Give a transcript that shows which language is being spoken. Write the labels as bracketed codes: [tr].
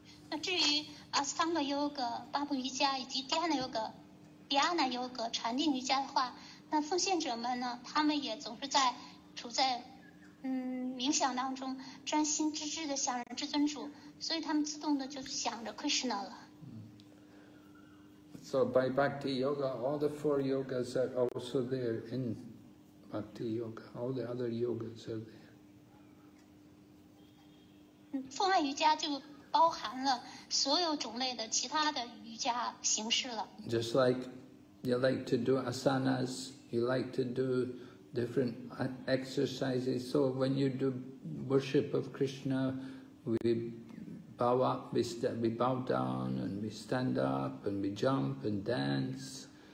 [zh] 那至于 Ashtanga Yoga, Babu Yoga, 以及 Dhyana Yoga, 禅定瑜伽的话，那奉献者们呢，他们也总是在处在 冥想当中，专心致志的想着至尊主，所以他们自动的就想着Krishna了。 [en] So by Bhakti Yoga, all the four yogas are also there in Bhakti Yoga. All the other yogas are there. [zh] 奉爱瑜伽就包含了所有种类的其他的瑜伽形式了。 [en] Just like you like to do asanas, you like to do different exercises. So when you do worship of Krishna, we bow up, we bow down, and we stand up, and we jump and dance.